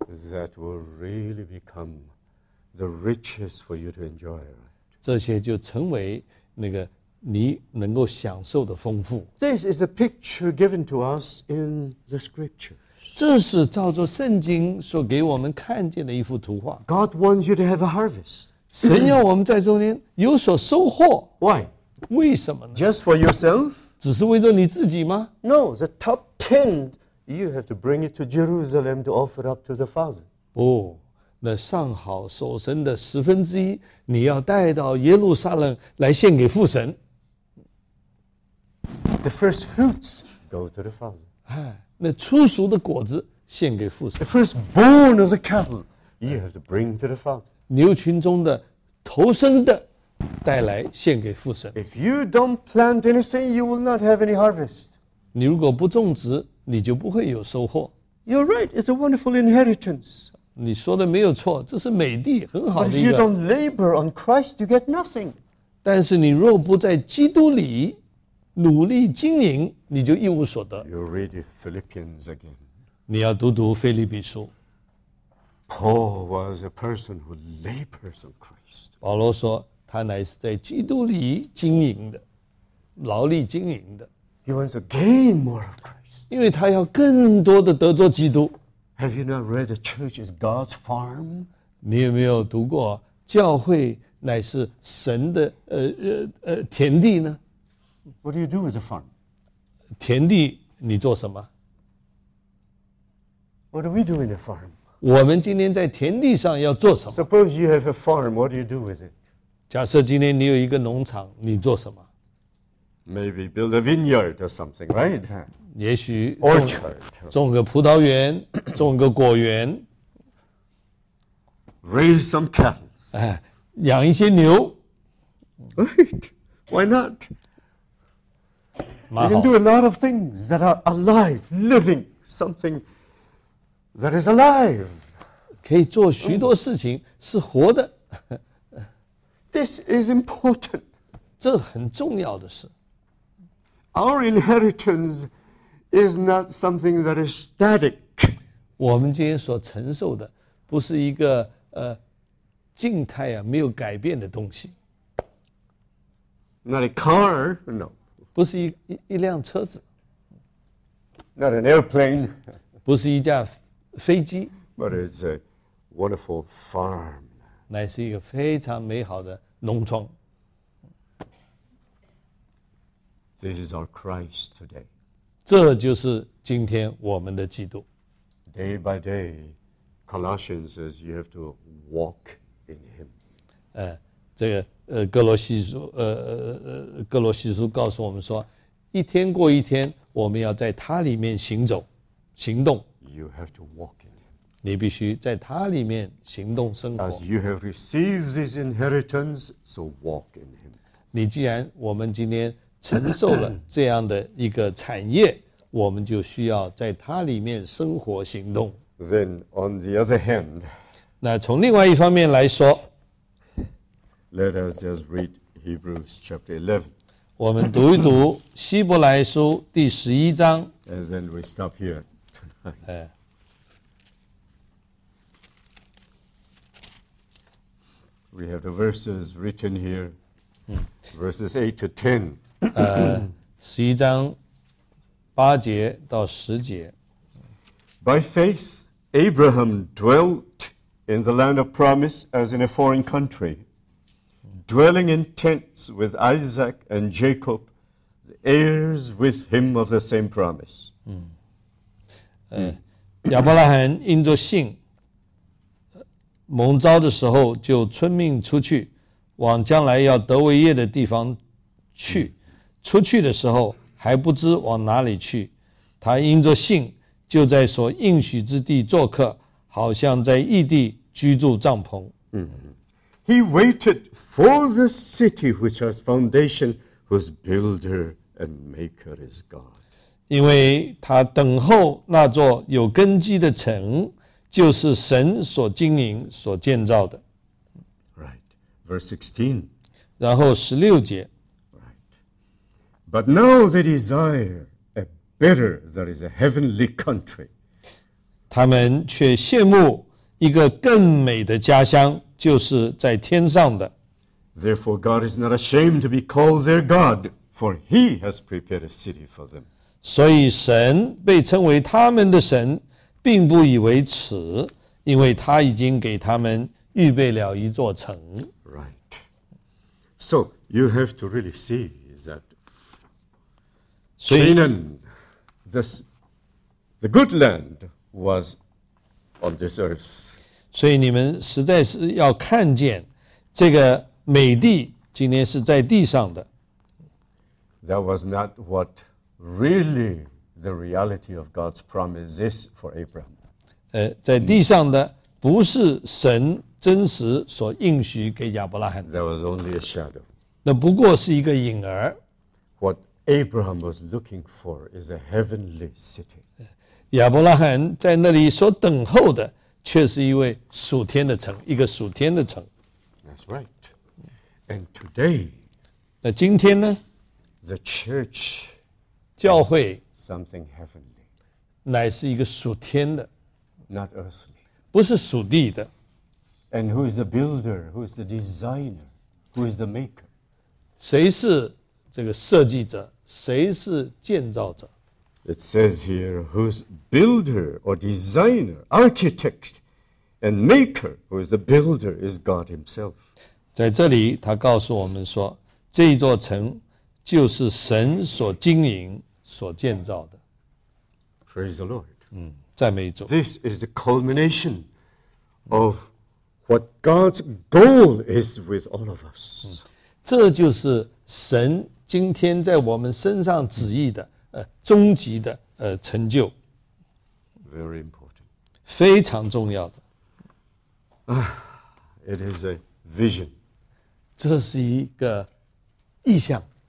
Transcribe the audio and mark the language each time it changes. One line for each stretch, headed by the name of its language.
English: That will really become the riches for you to enjoy.
Chinese: 这些就成为那个你能够享受的丰富。
English: This is a picture given to us in the scriptures.
Chinese: 这是照着圣经所给我们看见的一幅图画。
English: God wants you to have a harvest.
Chinese: 神要我们在中间有所收获。
English: Why?
Chinese: 为什么呢？
English: Just for yourself?
Chinese: 只是为着你自己吗？
English: No, the top ten. You have to bring it to Jerusalem to offer up to the Father.
Chinese: 不，那上好守神的十分之一，你要带到耶路撒冷来献给父神。
English: The first fruits go to the Father.
Chinese: 那初熟的果子献给父神。
English: The firstborn of the cattle, you have to bring to the Father.
Chinese: 牛群中的头生的带来献给父神。
English: If you don't plant anything, you will not have any harvest.
Chinese: 你如果不种植，你就不会有收获。
English: You're right. It's a wonderful inheritance.
Chinese: 你说的没有错，这是美地，很好的一个。
English: But if you don't labor on Christ, you get nothing.
Chinese: 但是你若不在基督里努力经营，你就一无所得。
English: You read Philippians again.
Chinese: 你要读读腓立比书。
English: Paul was a person who labors on Christ.
Chinese: 保罗说，他乃是在基督里经营的，劳力经营的。
English: He wants to gain more of Christ.
Chinese: 因为他要更多的得着基督。
English: Have you not read the church is God's farm?
Chinese: 你有没有读过教会乃是神的田地呢？
English: What do you do with the farm?
Chinese: 田地你做什么？
English: What do we do in the farm?
Chinese: 我们今天在田地上要做什么
English: ？Suppose you have a farm, what do you do with it?
Chinese: 假设今天你有一个农场，你做什么
English: ？Maybe build a vineyard or something, right?
Chinese: 也许
English: orchard
Chinese: 种个葡萄园，种个果园
English: ，raise some cattle，
Chinese: 养一些牛。
English: Right? Why not? You can do a lot of things that are alive, living something. That is alive.
Chinese: 可以做许多事情是活的。
English: This is important.
Chinese: 这很重要的事。
English: Our inheritance is not something that is static.
Chinese: 我们今天所承受的不是一个静态啊没有改变的东西。
English: Not a car, no.
Chinese: 不是一辆车子。
English: Not an airplane.
Chinese: 不是一架飞机
English: ，but it's a wonderful farm.
Chinese: 乃是一个非常美好的农庄。
English: This is our Christ today.
Chinese: 这就是今天我们的基督。
English: Day by day, Colossians says you have to walk in Him.
Chinese: 这个哥罗西书告诉我们说，一天过一天，我们要在他里面行走、行动。
English: You have to walk in Him.
Chinese: 你必须在他里面行动生活。
English: As you have received this inheritance, so walk in Him.
Chinese: 你既然我们今天承受了这样的一个产业，我们就需要在他里面生活行动。
English: Then on the other hand,
Chinese: 那从另外一方面来说
English: ，Let us just read Hebrews chapter 11.
Chinese: 我们读一读希伯来书第十一章。
English: And then we stop here. We have the verses written here, verses 8 to 10.
Chinese: 十一章八节到十节。
English: By faith, Abraham dwelt in the land of promise as in a foreign country, dwelling in tents with Isaac and Jacob, the heirs with him of the same promise.
Chinese: 亚伯拉罕因着信蒙召的时候就遵命出去往将来要得为业的地方去出去的时候还不知往哪里去他因着信就在所应许之地做客好像在异地居住帐篷、
English: He waited for the city which has foundation whose builder and maker is God
Chinese: 因为他等候那座有根基的城，就是神所经营、所建造的。
English: Right, verse 16.
Chinese: 然后十六节。
English: Right, but now they desire a better that is a heavenly country.
Chinese: 他们却羡慕一个更美的家乡，就是在天上的。
English: Therefore, God is not ashamed to be called their God, for He has prepared a city for them.
Chinese: 所以神被称为他们的神并不以为耻因为他已经给他们预备了一座城
English: Right. So you have to really see that Canaan, the good land was on this earth.
Chinese: 所以你们实在是要看见这个美地今天是在地上的
English: That was not whatReally, the reality of God's promise is for Abraham.
Chinese: 在地上的不是神真实所应许给亚伯拉罕。
English: That was only a shadow.
Chinese: 那不过是一个影儿。
English: What Abraham was looking for is a heavenly city.
Chinese: 亚伯拉罕在那里所等候的却是一位属天的城，一个属天的城。
English: That's right. And today,
Chinese: 那今天呢
English: ？The church.
Chinese: 教会
English: something heavenly,
Chinese: 乃是一个属天的
English: not earthly,
Chinese: 不是属地的
English: And who is the builder? Who is the designer? Who is the maker?
Chinese: 谁是这个设计者？谁是建造者？
English: It says here, whose builder or designer, architect and maker, who is the builder, is God himself.
Chinese: 在这里他告诉我们说，这座城就是神所经营、所建造的。
English: Praise the Lord.
Chinese: 赞美主。
English: This is the culmination of what God's goal is with all of us.
Chinese: 这就是神今天在我们身上旨意的终极的成就。
English: Very important.
Chinese: 非常重要的。
English: It is a vision.
Chinese: 这是一个意象。